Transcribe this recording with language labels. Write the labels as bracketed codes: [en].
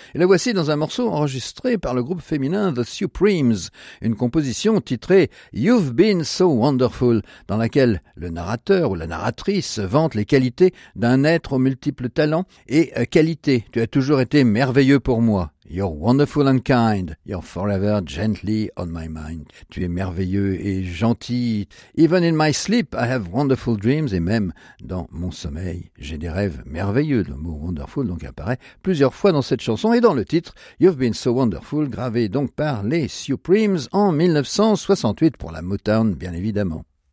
[fr] Et le voici dans un morceau enregistré par le groupe féminin The Supremes, une composition titrée You've Been So Wonderful, dans laquelle le narrateur ou la narratrice vante les qualités d'un être aux multiples talents et qualités. Tu as toujours été merveilleux pour moi. [en] You're wonderful and kind. You're forever gently on my mind. [fr] Tu es merveilleux et gentil. [en] Even in my sleep, I have wonderful dreams. [fr] Et même dans mon sommeil, j'ai des rêves merveilleux. Le mot wonderful donc apparaît plusieurs fois dans cette chanson et dans le titre You've Been So Wonderful, gravé donc par les Supremes en 1968 pour la Motown, bien évidemment.